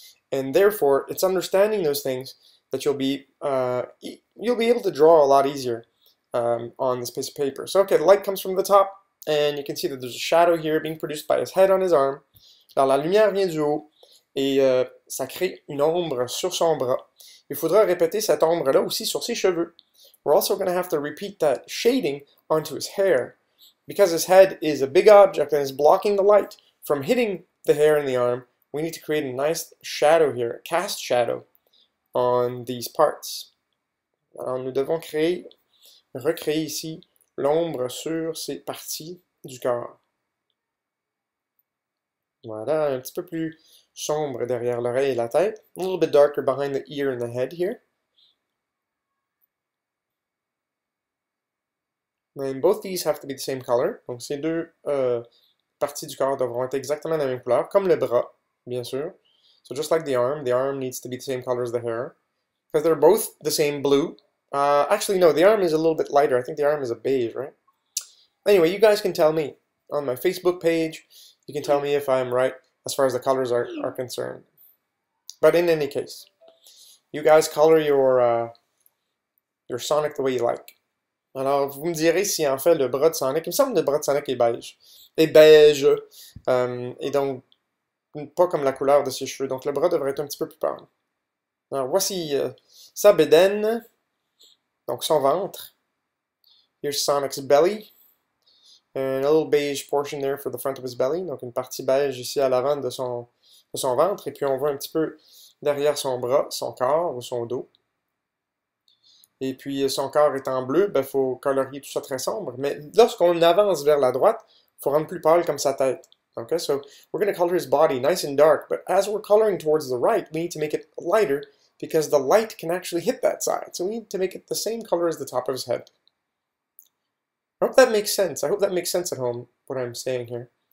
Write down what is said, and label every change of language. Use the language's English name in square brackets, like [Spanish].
[English] And therefore, it's understanding those things that you'll be able to draw a lot easier on this piece of paper. So, okay, the light comes from the top, and you can see that there's a shadow here being produced by his head on his arm. [French] Alors, la lumière vient du haut, et ça crée une ombre sur son bras. Il faudra répéter cette ombre-là aussi sur ses cheveux. [English] We're also going to have to repeat that shading onto his hair, because his head is a big object and is blocking the light from hitting the hair in the arm. We need to create a nice shadow here, a cast shadow, on these parts. [French] Alors, nous devons créer, recréer ici l'ombre sur ces parties du corps. Voilà, un petit peu plus sombre derrière l'oreille et la tête. [English] A little bit darker behind the ear and the head here. And both these have to be the same color. [French] Donc, ces deux parties du corps devront être exactement la même couleur, comme le bras, bien sûr. [English] So just like the arm needs to be the same color as the hair. Because they're both the same blue. Actually, no, the arm is a little bit lighter. I think the arm is a beige, right? Anyway, you guys can tell me on my Facebook page. You can tell me if I'm right as far as the colors are concerned. But in any case, you guys color your Sonic the way you like. [French] Alors, vous me direz si en fait le bras de Sonic, il me semble que le bras de Sonic est beige. Est beige. Et donc, pas comme la couleur de ses cheveux. Donc, le bras devrait être un petit peu plus pâle. Alors, voici sa bédaine. Donc, son ventre. [English] Here's Sonic's belly. And a little beige portion there for the front of his belly. [French] Donc, une partie beige ici à l'avant de son ventre. Et puis, on voit un petit peu derrière son bras, son corps ou son dos. Et puis, son corps étant bleu, ben, il faut colorier tout ça très sombre. Mais lorsqu'on avance vers la droite, il faut rendre plus pâle comme sa tête. [English] Okay, so we're going to color his body nice and dark. But as we're coloring towards the right, we need to make it lighter because the light can actually hit that side. So we need to make it the same color as the top of his head. I hope that makes sense. I hope that makes sense at home, what I'm saying here.